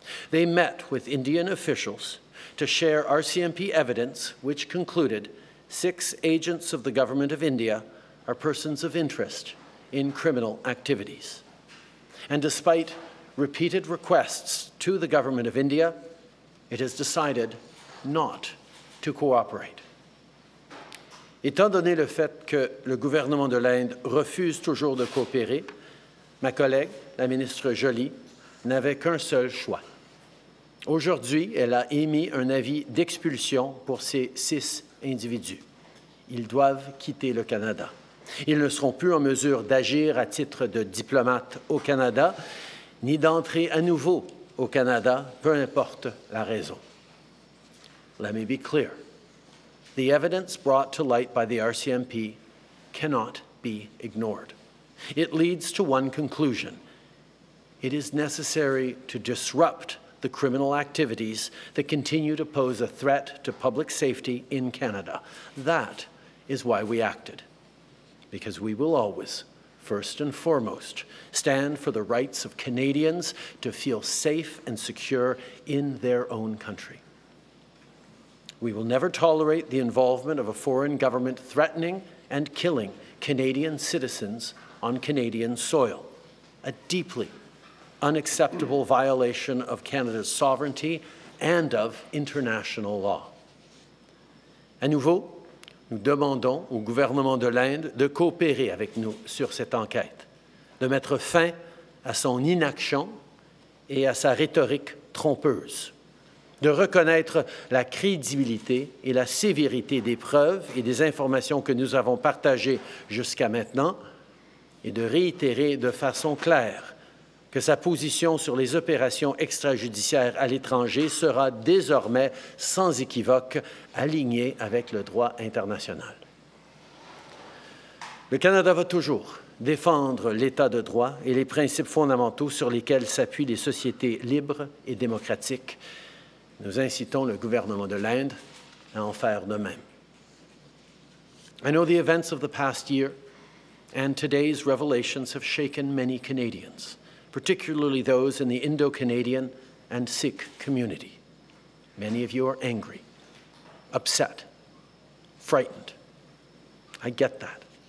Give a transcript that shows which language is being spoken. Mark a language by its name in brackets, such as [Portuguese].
[English] They met with Indian officials to share RCMP evidence, which concluded six agents of the Government of India are persons of interest in criminal activities. And despite repeated requests to the Government of India, it has decided not to cooperate. [French] Étant donné le fait que le gouvernement de l'Inde refuse toujours de coopérer, ma collègue, la ministre Joly, n'avait qu'un seul choix. Aujourd'hui, elle a émis un avis d'expulsion pour ces six individus. Ils doivent quitter le Canada. Ils ne seront plus en mesure d'agir à titre de diplomate au Canada, ni d'entrer à nouveau au Canada, peu importe la raison. [English] Let me be clear. The evidence brought to light by the RCMP cannot be ignored. It leads to one conclusion. It is necessary to disrupt the criminal activities that continue to pose a threat to public safety in Canada. That is why we acted. Because we will always, first and foremost, stand for the rights of Canadians to feel safe and secure in their own country. We will never tolerate the involvement of a foreign government threatening and killing Canadian citizens on Canadian soil, a deeply unacceptable violation of Canada's sovereignty and of international law. [French] À nouveau, nous demandons au gouvernement de l'Inde de coopérer avec nous sur cette enquête, de mettre fin à son inaction et à sa rhétorique trompeuse, de reconnaître la crédibilité et la sévérité des preuves et des informations que nous avons partagées jusqu'à maintenant, et de réitérer de façon claire que sa position sur les opérations extrajudiciaires à l'étranger sera désormais sans équivoque alignée avec le droit international. Le Canada va toujours défendre l'état de droit et les principes fondamentaux sur lesquels s'appuient les sociétés libres et démocratiques. Nous incitons le gouvernement de l'Inde à en faire de même. [English] I know the events of the past year and today's revelations have shaken many Canadians, particularly those in the Indo-Canadian and Sikh community. Many of you are angry, upset, frightened. I get that.